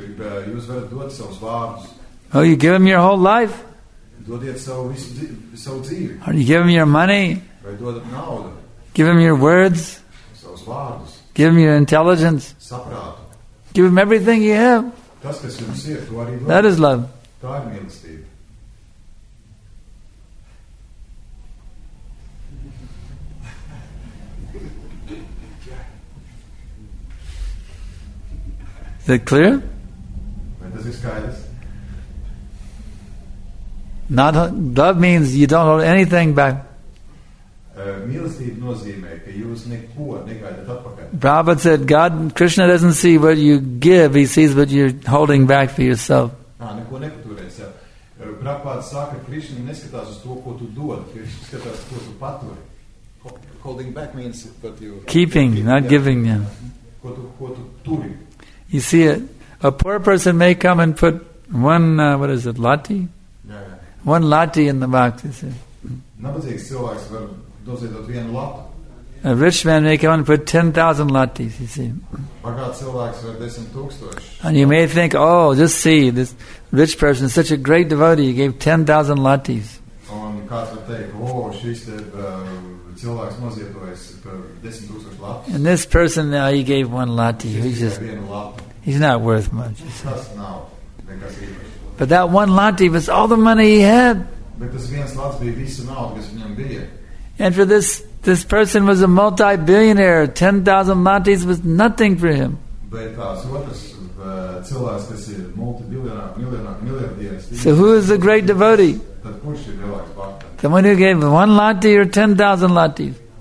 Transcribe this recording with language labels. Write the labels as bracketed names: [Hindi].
[Latvian] Jūs varat dot savus vārdus. [English] Oh, you give Him your whole life. [Latvian] Dodiet savu dzīvi. [English] Or you give Him your money. [Latvian] Vai dodat naudu. [English] Give Him your words. [Latvian] Savus vārdus. [English] Give Him your intelligence. [Latvian] Saprātu. [English] Give Him everything you have. [Latvian] Tas, kas jums ir, to arī dod. [English] That is love. [Latvian] Tā ir mīlestība. [English] Is it clear? [Latvian] Vai tas ir skaidrs? [English] Not love means you don't hold anything back. [Latvian] Mīlestība nozīmē, ka jūs neko negaidat atpakaļ. [English] Prabhupada said, God, Krishna doesn't see what you give, he sees what you're holding back for yourself. [Latvian] Neko nepaturē sev. Prabhupāda saka, Krišna neskatās uz to, ko tu dod, Krišna skatās, ko tu paturi. [English] Holding back means that you... Keeping, not yeah. giving, yeah. [Latvian] Ko tu turi. [English] You see, a poor person may come and put one, what is it, lati? Yeah. One lati in the box, you see. [Latvian] Nabadzīgs cilvēks var dozēdot vienu latu. [English] A rich man may come and put 10,000 latis, you see. [Latvian] Bagāts cilvēks var 10,000. [English] And you may think, oh, just see, this rich person is such a great devotee, he gave 10,000 latis. [Latvian] Un kāds var teikt, oh, šis te cilvēks noziedojas par 10,000 latis. [English] And this person, he gave one lati, he's not worth much. [Latvian] Tas nav nekas īpaši. [English] But that one lati was all the money he had. [Latvian] Bet tas viens lats bija visu naudu, kas viņam bija. [English] And for this, this person was a multi-billionaire. 10,000 latis was nothing for him. So who is the great devotee? The one who gave one lati or 10,000 latis?